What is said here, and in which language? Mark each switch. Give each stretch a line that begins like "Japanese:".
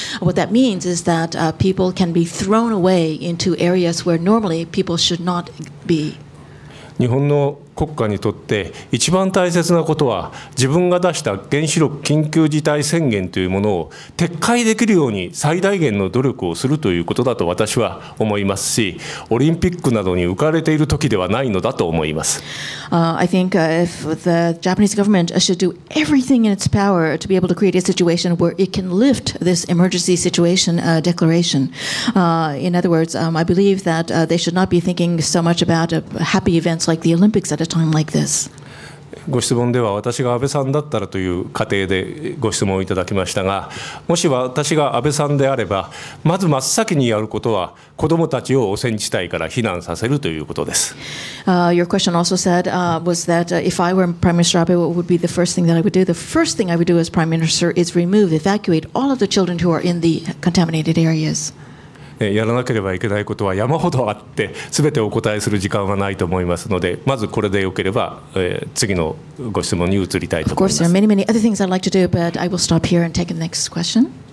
English: What that means is that people can be thrown away into areas where normally people should not be.
Japanese: 日本の国家にとって一番大切なことは自分が出した原子力緊急事態宣言というものを撤回できるように最大限の努力をするということだと私は思いますし、オリンピックなどに浮かれている時ではないのだと思います。
English: I think if the Japanese government should do everything in its power to be able to create a situation where it can lift this emergency situation declaration. In other words, I believe that they should not be thinking so much about happy events like the Olympics at a time like this.
Japanese: ご質問では私が安倍さんだったらという仮定でご質問をいただきましたが、もし私が安倍さんであれば、まず真っ先にやることは子どもたちを汚染地帯から避難させるということです。
English: Your question also said, was that if I were Prime Minister Abe, what would be the first thing that I would do? The first thing I would do as Prime Minister is remove, evacuate all of the children who are in the contaminated areas.
Japanese: やらなければいけないことは山ほどあって、すべてお答えする時間はないと思いますので、まずこれでよければ、次のご質問に移りたいと思います。
English: Of course, there are many, many other things I'd like to do, but I will stop here and take the next question.